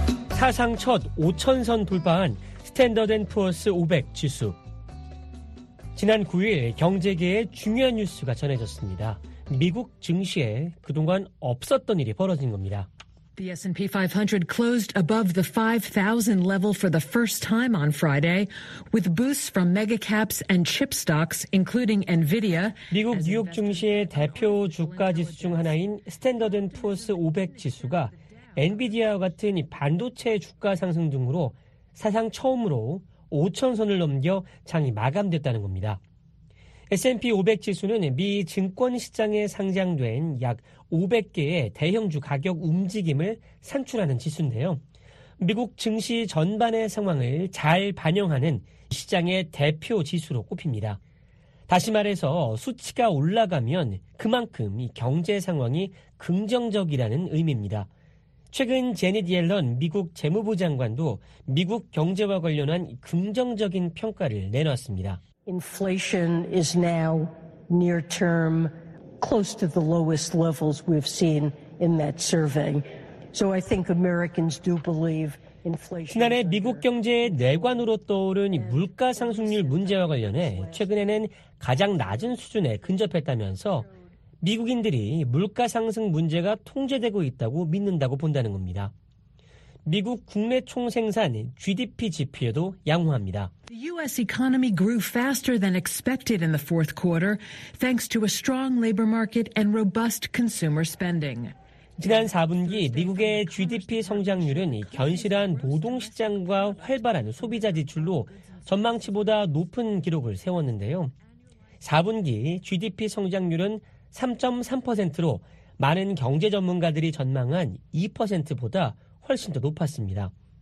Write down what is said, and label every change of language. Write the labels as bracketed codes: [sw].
[ko] 사상 첫 5천선 돌파한 스탠더드앤푸어스 500 지수. 지난 9일 경제계의 중요한 뉴스가 전해졌습니다. 미국 증시에 그동안 없었던 일이 벌어진 겁니다. [en] The S&P 500 closed above the 5,000 level for the first time on Friday with boosts from mega caps and chip stocks including Nvidia. [ko] 미국 뉴욕 증시의 대표 주가 지수 중 하나인 스탠더드앤푸어스 500 지수가 엔비디아와 같은 반도체 주가 상승 등으로 사상 처음으로 5,000선을 넘겨 장이 마감됐다는 겁니다. S&P 500 지수는 미 증권시장에 상장된 약 500개의 대형주 가격 움직임을 산출하는 지수인데요. 미국 증시 전반의 상황을 잘 반영하는 시장의 대표 지수로 꼽힙니다. 다시 말해서 수치가 올라가면 그만큼 이 경제 상황이 긍정적이라는 의미입니다. 최근 제닛 옐런 미국 재무부 장관도 미국 경제와 관련한 긍정적인 평가를 내놨습니다. [en] Inflation is now near term close to the lowest levels we've seen in that survey. So I think Americans do believe inflation. [ko] 지난해 미국 경제의 내관으로 떠오른 물가 상승률 문제와 관련해 최근에는 가장 낮은 수준에 근접했다면서 미국인들이 물가 상승 문제가 통제되고 있다고 믿는다고 본다는 겁니다. 미국 국내 총생산 GDP 지표에도 양호합니다. [en] The US economy grew faster than expected in the fourth quarter thanks to a strong labor market and robust consumer spending. [ko] 지난 4분기 미국의 GDP 성장률은 견실한 노동 시장과 활발한 소비자 지출로 전망치보다 높은 기록을 세웠는데요. 4분기 GDP 성장률은 3.3%로 많은 경제 전문가들이 전망한 2%보다 훨씬 더 높았습니다.